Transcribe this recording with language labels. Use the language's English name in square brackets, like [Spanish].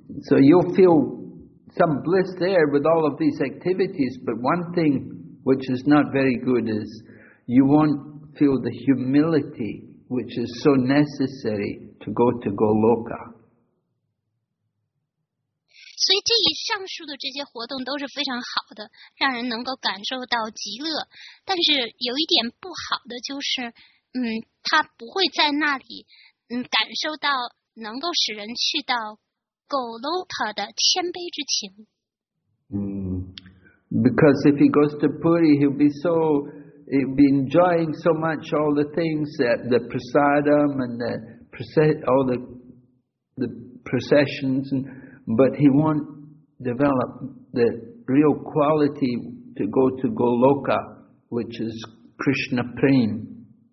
[English] So you'll feel some bliss there with all of these activities, but one thing which is not very good is you won't feel the humility which is so necessary to go to Goloka. [Chinese] So, 这以上述的这些活动都是非常好的，让人能够感受到极乐。但是有一点不好的就是，他不会在那里，感受到能够使人去到Goloka 的谦卑之情。 [English] Because if he goes to Puri, he'll be enjoying so much all the things that the prasadam and the processions, but he won't develop the real quality to go to Goloka, which is Krishna Prem.